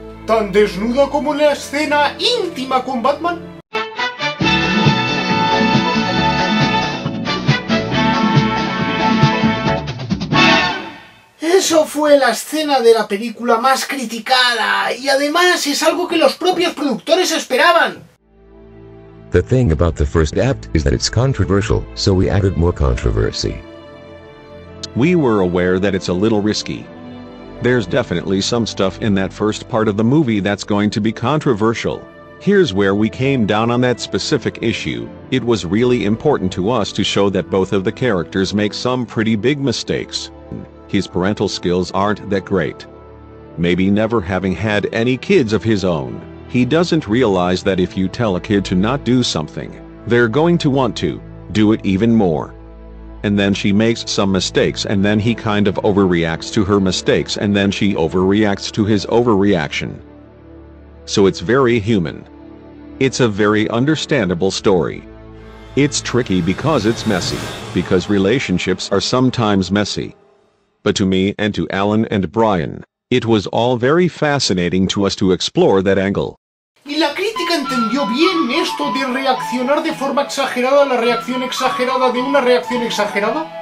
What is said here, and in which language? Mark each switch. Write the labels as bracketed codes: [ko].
[es] ¿Tan desnuda como la escena íntima con Batman? Eso fue la escena de la película más criticada, y además es algo que los propios productores esperaban. [en] The thing about the first act is that it's controversial, so we added more controversy. We were aware that it's a little risky. There's definitely some stuff in that first part of the movie that's going to be controversial. Here's where we came down on that specific issue. It was really important to us to show that both of the characters make some pretty big mistakes. His parental skills aren't that great. Maybe never having had any kids of his own. He doesn't realize that if you tell a kid to not do something, they're going to want to do it even more. And then she makes some mistakes and then he kind of overreacts to her mistakes and then she overreacts to his overreaction. So it's very human. It's a very understandable story. It's tricky because it's messy, because relationships are sometimes messy. But to me and to Alan and Brian, it was all very fascinating to us to explore that angle. [es] Y la crítica entendió bien esto de reaccionar de forma exagerada a la reacción exagerada de una reacción exagerada?